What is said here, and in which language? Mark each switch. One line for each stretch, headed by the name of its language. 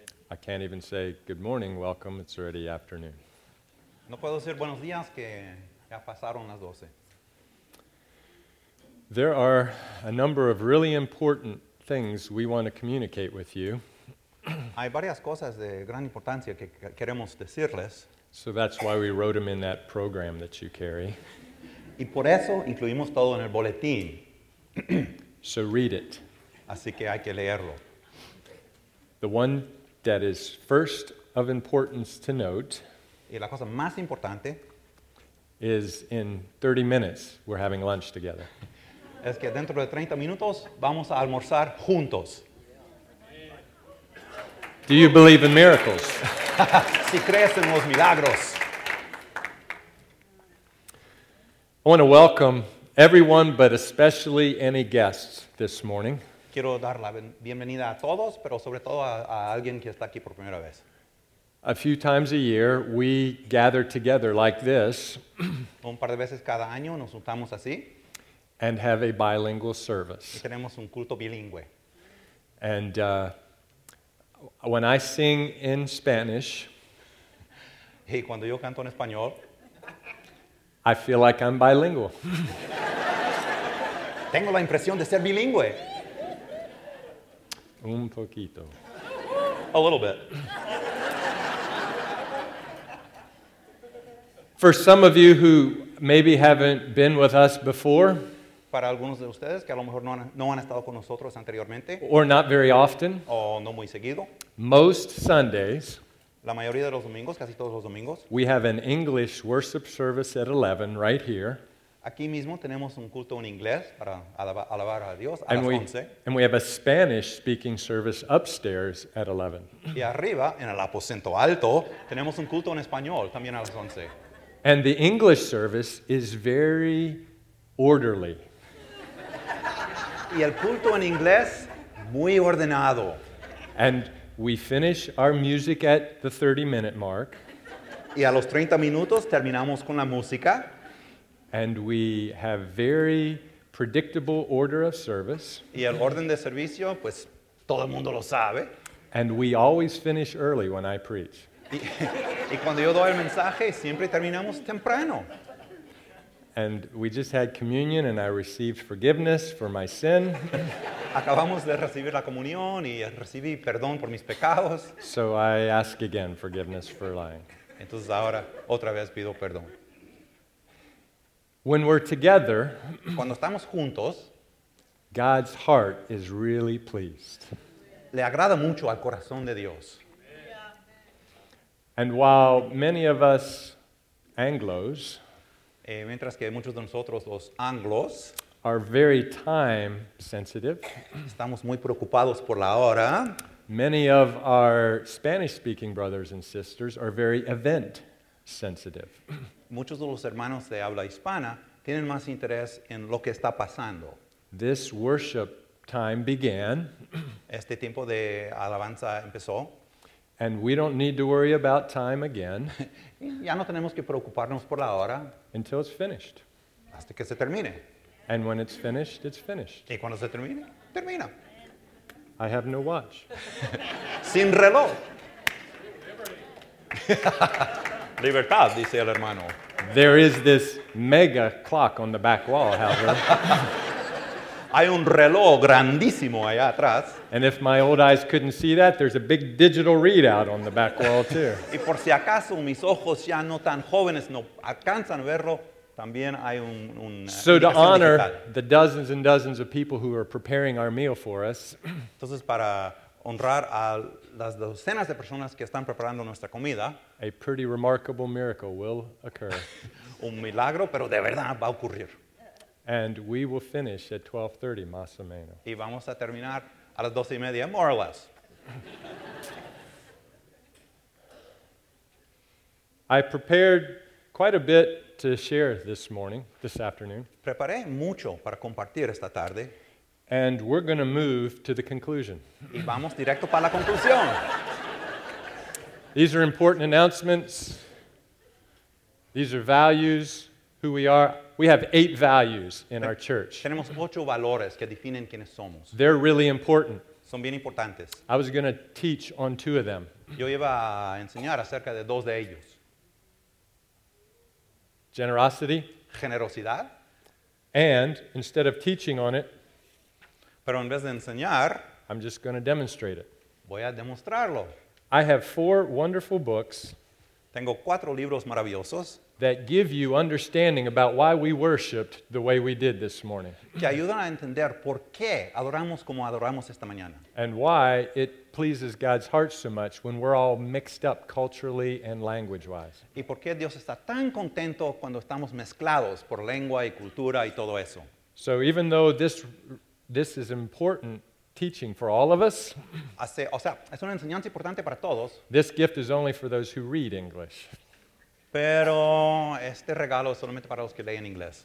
English: I can't even say good morning, welcome, it's already afternoon.
Spanish: No puedo decir buenos días que ya pasaron las 12.
English: There are a number of really important things we want to communicate with you.
Spanish: Hay varias cosas de gran importancia que queremos decirles.
English: So that's why we wrote them in that program that you carry.
Spanish: Y por eso incluimos todo en el boletín.
English: So read it.
Spanish: Así que hay que leerlo.
English: The one that is first of importance to note,
Spanish: y la cosa más importante,
English: is in 30 minutes we're having lunch together.
Spanish: Es que dentro de 30 minutos vamos a almorzar juntos.
English: Do you believe in miracles?
Spanish: Si crees en los milagros.
English: I want to welcome everyone, but especially any guests this morning.
Spanish: Quiero dar la bienvenida a todos, pero sobre todo a alguien que está aquí por primera vez.
English: A few times a year, we gather together like this.
Spanish: Un par de veces cada año nos juntamos así.
English: And have a bilingual service.
Spanish: Y tenemos un culto bilingüe.
English: And when I sing in Spanish,
Spanish: y cuando yo canto en español,
English: I feel like I'm bilingual.
Spanish: Tengo la impresión de ser bilingüe. Un poquito.
English: A little bit. For some of you who maybe haven't been with us before,
Spanish: para algunos de ustedes que a lo mejor no han estado con nosotros anteriormente,
English: or not very often,
Spanish: o no muy seguido,
English: most Sundays,
Spanish: la mayoría de los domingos, casi todos los domingos,
English: we have an English worship service at 11 right here.
Spanish: Aquí mismo tenemos un culto en inglés para alabar a Dios a las 11.
English: And we have a Spanish speaking service upstairs at 11.
Spanish: Y arriba, en el aposento alto, tenemos un culto en español también a las 11.
English: And the English service is very orderly.
Spanish: Y el culto en inglés, muy ordenado.
English: And we finish our music at the 30-minute mark.
Spanish: Y a los 30 minutos terminamos con la música.
English: And we have very predictable order of service.
Spanish: Y el orden de servicio, pues todo el mundo lo sabe.
English: And we always finish early when I preach.
Spanish: Y cuando yo doy el mensaje, siempre terminamos temprano.
English: And we just had communion and I received forgiveness for my sin.
Spanish: Acabamos de recibir la comunión y recibí perdón por mis pecados.
English: So I ask again forgiveness for lying.
Spanish: Entonces ahora otra vez pido perdón.
English: When we're together,
Spanish: cuando estamos juntos,
English: God's heart is really pleased.
Spanish: Le agrada mucho al corazón de Dios.
English: And while many of us Anglos,
Spanish: mientras que muchos de nosotros los Anglos,
English: are very time sensitive,
Spanish: estamos muy preocupados por la hora,
English: many of our Spanish-speaking brothers and sisters are very event sensitive.
Spanish: Muchos de los hermanos de habla hispana tienen más interés en lo que está pasando.
English: This worship time began.
Spanish: Este tiempo de alabanza empezó.
English: And we don't need to worry about time again.
Spanish: Ya no tenemos que preocuparnos por la hora.
English: Until it's finished.
Spanish: Hasta que se termine.
English: And when it's finished, it's finished.
Spanish: Y cuando se termine, termina.
English: I have no watch.
Spanish: Sin reloj. Libertad, dice el hermano.
English: There is this mega clock on the back wall, however.
Spanish: Hay un reloj grandísimo allá atrás.
English: And if my old eyes couldn't see that, there's a big digital readout on the back wall, too.
Spanish: Y por si acaso mis ojos ya no tan jóvenes no alcanzan a verlo, también hay un
English: so to honor digital. The dozens and dozens of people who are preparing our meal for us.
Spanish: Entonces, para honrar a las docenas de personas que están preparando nuestra comida,
English: a pretty remarkable miracle will occur.
Spanish: Un milagro, pero de verdad va a ocurrir.
English: And we will finish at 12:30,
Spanish: más o menos. Y vamos a terminar a las 12 y media,
English: more or less. I prepared quite a bit to share this morning, this afternoon.
Spanish: Preparé mucho para compartir esta tarde.
English: And we're going to move to the conclusion.
Spanish: Y vamos directo para la conclusión.
English: These are important announcements. These are values, who we are. We have 8 values in our church.
Spanish: Tenemos 8 valores que definen quiénes somos.
English: They're really important.
Spanish: Son bien importantes.
English: I was going to teach on 2 of them.
Spanish: Yo iba a enseñar acerca de 2 de ellos.
English: Generosity.
Spanish: Generosidad.
English: And instead of teaching on it,
Spanish: pero en vez de enseñar,
English: I'm just going to demonstrate it.
Spanish: Voy a demostrarlo.
English: I have 4 wonderful books.
Spanish: Tengo 4 libros maravillosos
English: that give you understanding about why we worshiped the way we did this morning.
Spanish: Que ayudan a entender por qué adoramos como adoramos esta mañana.
English: And why it pleases God's heart so much when we're all mixed up culturally and language-wise.
Spanish: Y por qué Dios está tan contento cuando estamos mezclados por lengua y cultura y todo eso.
English: So even though this is important teaching for all of us.
Spanish: O sea, es una enseñanza importante para todos.
English: This gift is only for those who read English.
Spanish: Pero este regalo es solamente para los que leen inglés.